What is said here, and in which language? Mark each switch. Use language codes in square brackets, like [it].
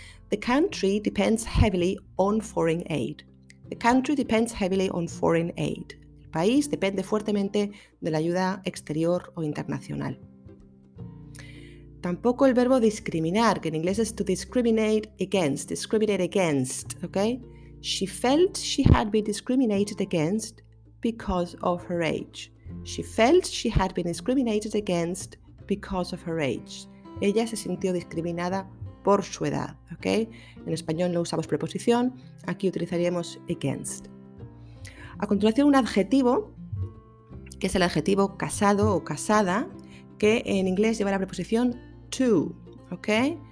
[en] The country depends heavily on foreign aid. The country depends heavily on foreign aid. [es] El país depende fuertemente de la ayuda exterior o internacional. Tampoco el verbo discriminar, que en inglés es [en] to discriminate against. Discriminate against, ¿ok? She felt she had been discriminated against because of her age. She felt she had been discriminated against because of her age. [es] Ella se sintió discriminada por su edad, ¿ok? En español no usamos preposición, aquí utilizaríamos against. A continuación un adjetivo, que es el adjetivo casado o casada, que en inglés lleva la preposición to, ¿ok?